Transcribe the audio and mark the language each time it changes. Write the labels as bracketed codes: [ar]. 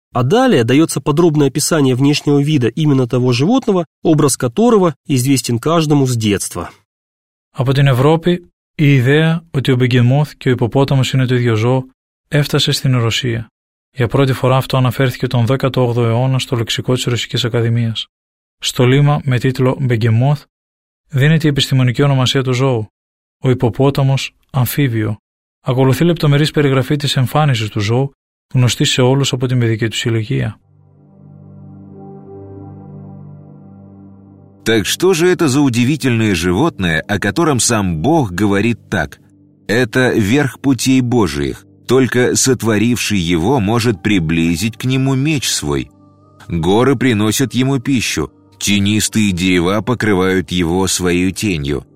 [ru] А далее дается подробное описание внешнего вида именно того животного, образ которого известен каждому с детства. [el] Από την Ευρώπη η ιδέα ότι ο μπεγκεμόθ και ο υποπόταμος είναι το ίδιο ζώο έφτασε στην Ρωσία. Για πρώτη φορά αυτό αναφέρθηκε τον 18ο αιώνα στο λεξικό της Ρωσικής Ακαδημίας. Στο λήμα με τίτλο «Μπεγκεμόθ» δίνεται η επιστημονική ονομασία του ζώου, ο υποπόταμος αμφίβιο. Ακολουθεί λεπτομερής περιγραφή της εμφάνισης του ζώου, γνωστή σε όλους από την παιδική τους ηλικία. [ru] Так что же это за удивительное животное, о котором сам Бог говорит так? Это верх путей Божиих. Только сотворивший его может приблизить к нему меч свой. Горы приносят ему пищу. Тенистые дерева покрывают его своей тенью.